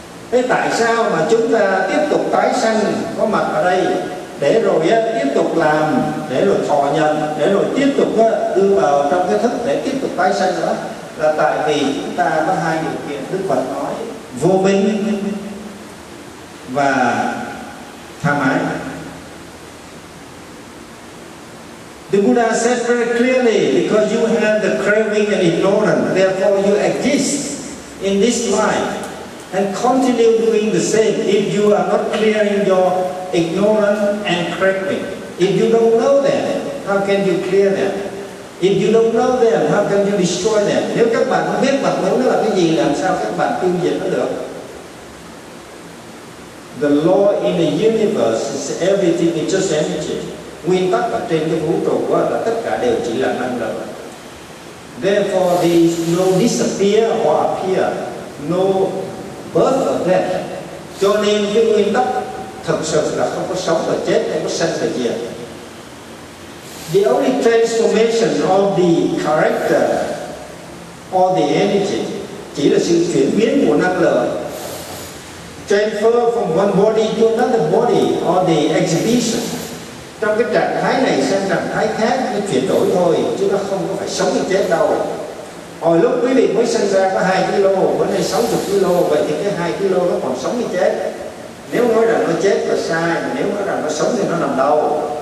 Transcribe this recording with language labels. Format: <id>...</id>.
<vi>Thế tại sao mà chúng ta tiếp tục tái sanh có mặt ở đây, để rồi tiếp tục làm, để rồi thọ nhận, để rồi tiếp tục đưa vào trong cái thức để tiếp tục tái sanh nữa? Là tại vì chúng ta có hai điều kiện Đức Phật nói: vô minh và tham ái.</vi> <en>The Buddha said very clearly, because you have the craving and ignorance, therefore you exist in this life and continue doing the same if you are not clearing your ignorance and craving. If you don't know them, how can you clear them? If you don't know them, how can you destroy them?</en> <vi>Nếu các bạn không biết bạn muốn nó là cái gì, làm sao các bạn tiêu diệt nó được?</vi> <en>The law in the universe is everything is just energy.</en> <vi>Nguyên tắc ở trên cái vũ trụ đó là tất cả đều chỉ là năng lượng.</vi> <en>Therefore, there is no disappear or appear, no birth or death.</en> <vi>Cho nên cái nguyên tắc thực sự là không có sống và chết, không có sinh và diệt.</vi> <en>The only transformation of the character or the energy</en> <vi>chỉ là sự chuyển biến của năng lượng.</vi> <en>Transfer from one body to another body or the exhibition.</en> <vi>Trong cái trạng thái này sang trạng thái khác, nó chuyển đổi thôi, chứ nó không có phải sống hay chết đâu. Hồi lúc quý vị mới sinh ra có 2 kg, bữa nay 60 kg, vậy thì cái 2 kg nó còn sống hay chết? Nếu nói rằng nó chết là sai, mà nếu nói rằng nó sống thì nó nằm đâu?</vi>